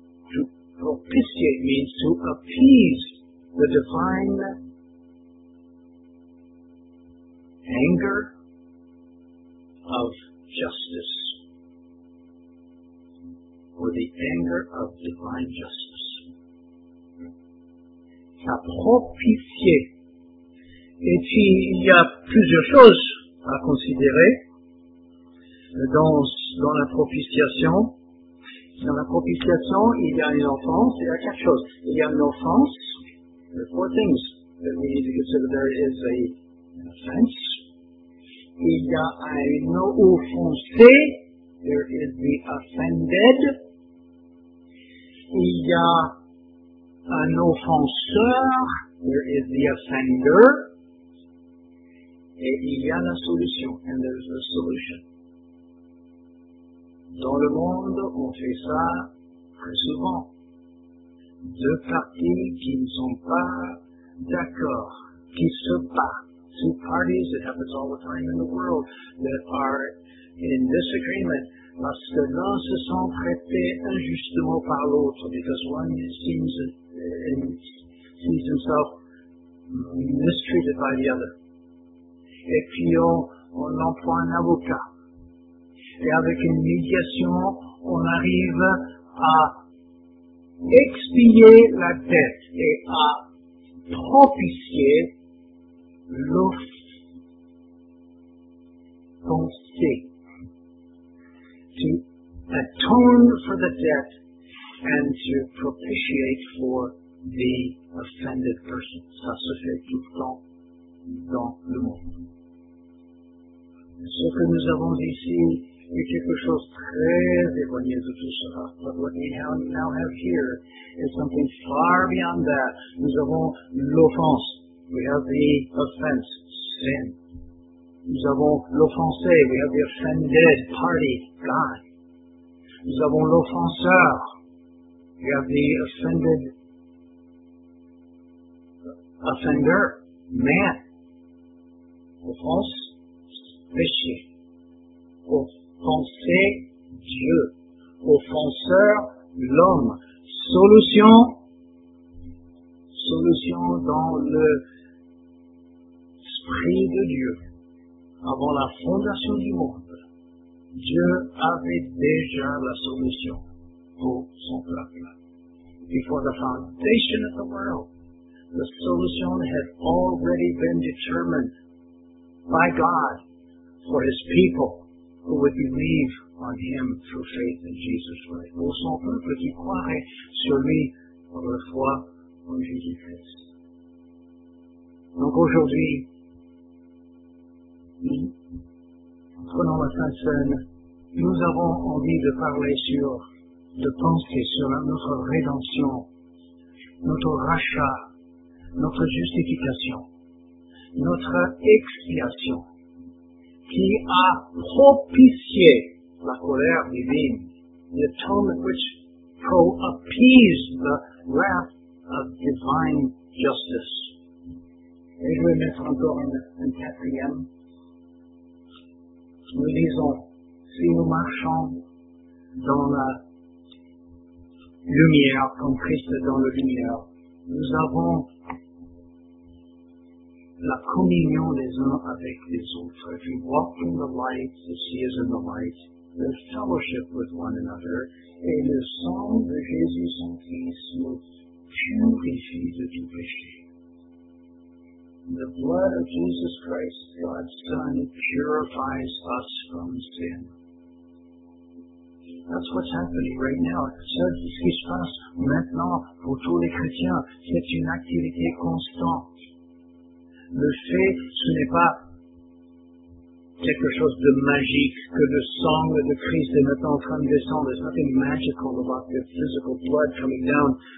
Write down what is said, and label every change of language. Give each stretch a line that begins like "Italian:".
English: To propitiate means to appease the divine anger of justice, or the anger of divine justice.
French: Ça propitie. Et il y a plusieurs choses à considérer dans la propitiation. Dans la propitiation, il y a une offense, il y a quatre choses. Il y a une offense,
English: there are four things that we need to consider. There is an offense.
French: Il y a une offense,
English: there is the offended.
French: Il y a un offenseur,
English: there is the offender.
French: Et il y a la solution,
English: and there is the solution.
French: Dans le monde, on fait ça très souvent. Deux parties qui ne sont pas d'accord, qui se battent.
English: Two parties, it happens all the time in the world, that are in disagreement.
French: Parce que l'un se sent traité injustement par l'autre.
English: Because one sees himself mistreated by the other.
French: Et puis on emploie un avocat. Et avec une médiation, on arrive à expier la dette et à propitier l'offensé.
English: To atone for the debt and to propitiate for the offended person.
French: Ça se fait tout le temps dans le monde. Ce que nous avons ici, et quelque chose très éloigné de tout cela.
English: But what we now have here is something far beyond that.
French: Nous avons l'offense.
English: We have the offense, sin.
French: Nous avons l'offensé.
English: We have the offended party, God.
French: Nous avons l'offenseur.
English: We have the offended offender, man.
French: Offense, péché. Offenser Dieu, offenseur l'homme. Solution dans l'esprit de Dieu. Avant la fondation du monde, Dieu avait déjà la solution pour son peuple.
English: Before the foundation of the world, the solution had already been determined by God for his people. Who would believe on him through faith in Jesus Christ.
French: Pour son peuple qui croirait sur lui par la foi en Jésus Christ. Donc aujourd'hui, nous prenons la Sainte Cène, nous avons envie de parler sur, de penser sur notre rédemption, notre rachat, notre justification, notre expiation. Qui a propitié la colère divine,
English: the atonement which appeased the wrath of divine justice.
French: Et je vais mettre encore un quatrième. Nous disons, si nous marchons dans la lumière, comme Christ dans la lumière, nous avons la communion des uns avec les autres.
English: If you walk in the light, the sea is in the light. The fellowship with one another.
French: Et le sang de Jésus son Fils nous purifie de tout péché.
English: The blood of Jesus Christ, God's Son, purifies us from sin. That's what's happening right now.
French: Ça, c'est ce qui se passe maintenant pour tous les chrétiens. C'est une activité constante. Le fait, ce n'est pas quelque chose de magique que le sang de Christ est maintenant en train de descendre.
English: There's nothing magical about the physical blood coming down.